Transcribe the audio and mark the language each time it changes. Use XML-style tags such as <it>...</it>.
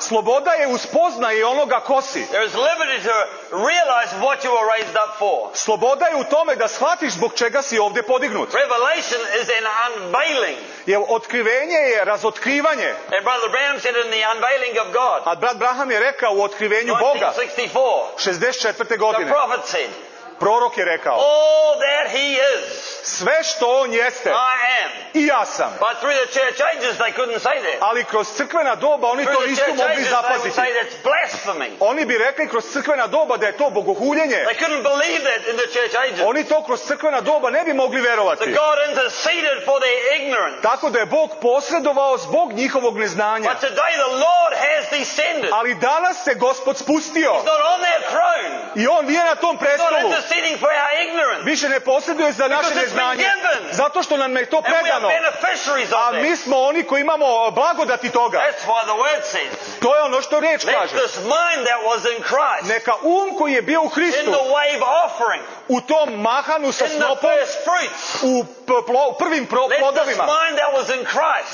<sr>Sloboda je u spoznaji onoga ko si.</sr> <en>There is liberty to realize what you were raised up for.</en> <sr>Sloboda je u tome da shvatiš zbog čega si ovdje podignut.</sr> <en>Revelation is an unveiling.</en> <sr>Jer otkrivenje je razotkrivanje.</sr> <en>And Brother Branham said in the unveiling of God.</en> <sr>A brat Branham je rekao u otkrivenju Boga.</sr> <en>1964.</en> <sr>godine.</sr> <en>The prophet said.</en> <sr>Prorok je rekao,</sr> <en>all that he is,</en> <sr>sve što on jeste,</sr> <en>I am.</en> <sr>I ja sam.</sr> <en>But through the church ages, they couldn't say that.</en> <sr>Ali kroz crkvena doba oni</sr> <en>through</en> <sr>to nisu mogli zapaziti.</sr> <en>They would say that's blasphemy.</en> <sr>Oni bi rekli kroz crkvena doba da je to bogohuljenje.</sr> <en>They couldn't believe that in the church ages.</en> <sr>Oni to kroz crkvena doba ne bi mogli verovati.</sr> <en>So God interceded for their ignorance.</en> <sr>Tako da je Bog posredovao zbog njihovog neznanja.</sr> <en>But today the Lord has descended.</en> <sr>Ali danas se Gospod spustio.</sr> <en>He's not on their throne.</en> <sr>I on nije na tom prestolu.</sr> <en>Interceding for our ignorance.</en> <sr>Više ne posreduje za naše neznanje. Zato što nam je to predano.</sr> <en>And we are beneficiaries of</en> <sr>a mi smo oni koji imamo blagodati toga.</sr> <en>That's why the word says.</en> <sr>To je ono što riječ kaže.</sr> <en>This mind that was in Christ.</en> <sr>Neka um koji je bio u Hristu.</sr> <en>In the wave offering.</en> <sr>U tom mahanu sa snopom.</sr> <en>In the first fruits.</en> <sr>U prvim plodovima.</sr> <en>Let this mind that was in Christ.</en>